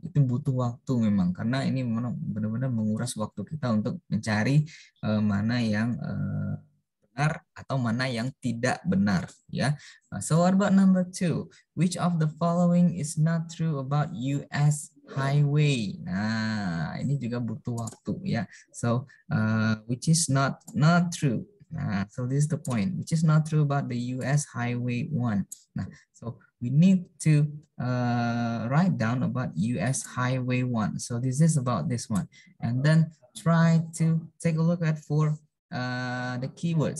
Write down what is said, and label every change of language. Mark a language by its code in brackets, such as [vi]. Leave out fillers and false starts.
[id] Itu butuh waktu memang karena ini benar-benar menguras waktu kita untuk mencari mana yang benar atau mana yang tidak benar ya. [en] So what about number two? Which of the following is not true about US highway? [id] Nah, ini juga butuh waktu ya. [en] So which is not true. Nah, so this is the point. Which is not true about the US highway one. Nah, so we need to write down about US highway one. So this is about this one. And then try to take a look at four the keywords.